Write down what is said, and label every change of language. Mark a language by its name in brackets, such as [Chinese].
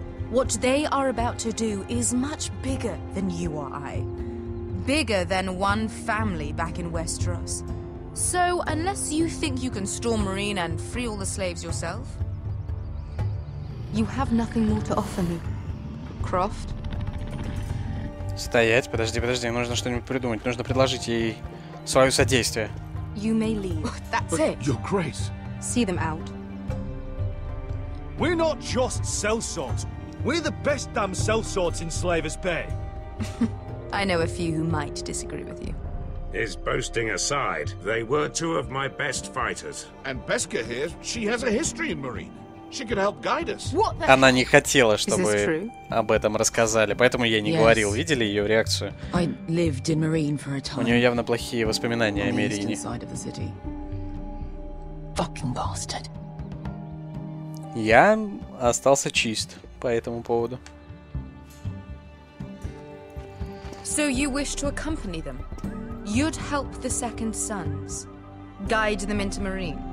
[English] What they are about to do is much bigger than you or I. Bigger than one family back in Westeros. So, unless you think you can storm Meereen and free all the slaves yourself, you have nothing more to offer me. Croft? [Russian] Стоять, подожди, подожди, нужно что-нибудь придумать. Нужно предложить ей свое содействие. [English] You may leave. That's but it. Your grace. See them out. We're not just sellswords. We're the best damn sellswords in Slaver's Bay. I know a few who might disagree with you. His boasting aside, they were two of my best fighters. And Beska here, she has a history in Marine. She could help guide us. What the? [Russian] Она не хотела, чтобы об этом рассказали, поэтому я не говорил. Видели ее реакцию? [English] I lived in Marine for a time. [Russian] У нее явно плохие воспоминания о Марине. [English] Fucking bastard. [Russian] Я остался чист по этому поводу. [English] So you wish to accompany them? You'd help the Second Sons, guide them into Marine.